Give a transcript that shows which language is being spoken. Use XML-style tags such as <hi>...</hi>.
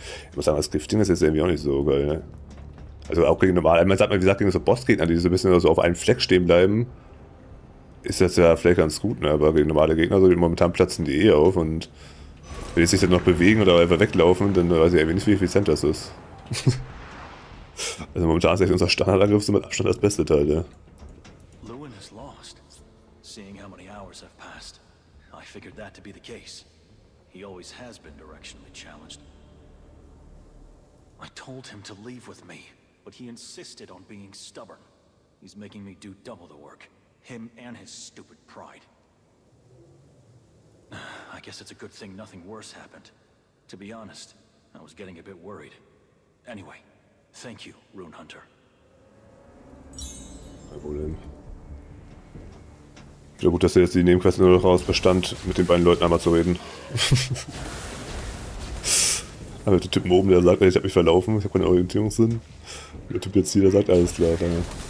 <de>Ich muss sagen, das Gift-Ding ist jetzt irgendwie auch nicht so geil, ne? Also auch gegen normal, man sagt mal, wie gesagt, gegen so Boss-Gegner, die so ein bisschen so auf einem Fleck stehen bleiben. Ist das ja vielleicht ganz gut, ne? Aber gegen normale Gegner, so die momentan platzen die eh auf und wenn die sich dann noch bewegen oder einfach weglaufen, dann weiß ich irgendwie nicht, wie effizient das ist. Also momentan ist echt unser Standardangriff so mit Abstand das beste Teil, ne?</de> <en>Lewin has lost. Seeing how many hours have passed, I figured that to be the case. He always has been directionally challenged. I told him to leave with me, but he insisted on being stubborn. He's making me do double the work. Him and his stupid pride. I guess it's a good thing nothing worse happened. To be honest, I was getting a bit worried. Anyway, thank you, Rune Hunter.</en> <de>Kein Problem. Ich glaube gut, dass er jetzt die Nebenquest nur noch aus Bestand mit den beiden Leuten einmal zu reden. Aber der Typ oben, der sagt, ich habe mich verlaufen, ich habe keinen Orientierungssinn. Der Typ jetzt hier, der sagt, alles klar, danke.</de>